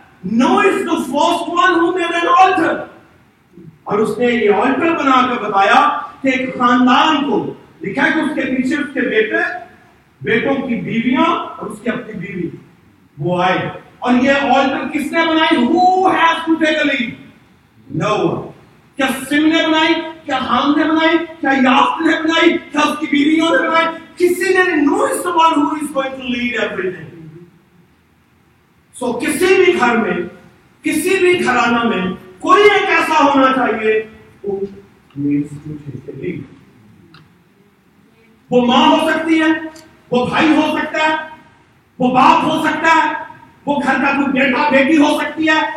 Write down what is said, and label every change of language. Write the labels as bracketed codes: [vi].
[en] Noah is the first one who made an altar. [hi] और उसने ये ऑल्टर बनाकर बताया कि एक खानदान को लिखा है कि उसके पीछे उसके बेटे, बेटों की बीवियां और उसकी अपनी बीवी वो आए. और ये ऑल्टर किसने बनाई? [en] Who has to take a lead? No one. [hi] क्या सिम ने बनाई? क्या हाम ने बनाई? क्या याफ ने बनाई? क्या उसकी बीवियों ने बनाई? किसी ने नहीं. [en] No is the one who is going to lead everything. [hi] So किसी भी घर में, किसी भी घराना में कोई एक ऐसा होना चाहिए [en] who needs to take a lead. [hi] वो माँ हो सकती है, वो भाई हो सकता है, वो बाप हो सकता है, वो घर का कोई बेटा बेटी हो सकती है.